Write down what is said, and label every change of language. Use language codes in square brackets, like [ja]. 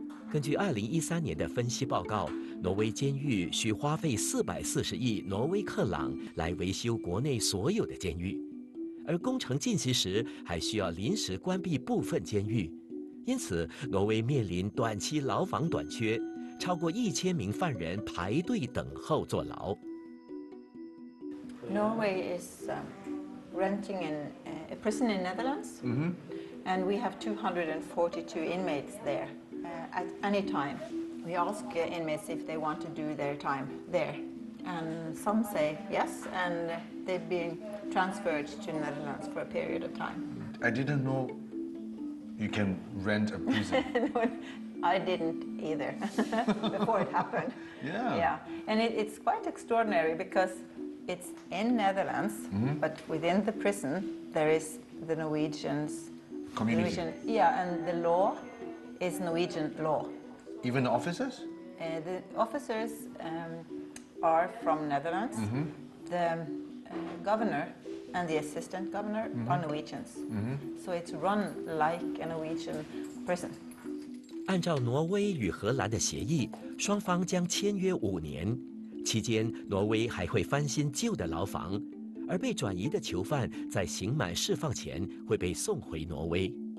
[zh] 根据2013年的分析报告，挪威监狱需花费440亿挪威克朗来维修国内所有的监狱，而工程进行时还需要临时关闭部分监狱，因此挪威面临短期牢房短缺，超过1000名犯人排队等候坐牢。 [en] Norway is renting a prison in Netherlands, and we have 242 inmates there at any time. We ask inmates if they want to do their time there, and some say yes, and they've been transferred to Netherlands for a period of time. I didn't know you can rent a prison. No, I didn't either before it happened. Yeah, and it's quite extraordinary because it's in Netherlands, but within the prison there is the Norwegian's community. And the law is Norwegian law. Even the officers? The officers are from Netherlands. Mm-hmm. The governor and the assistant governor are Norwegians. Mm-hmm. So it's run like a Norwegian prison. [zh] 按照挪威与荷兰的协议，双方将签约5年。期间，挪威还会翻新旧的牢房，而被转移的囚犯在刑满释放前会被送回挪威。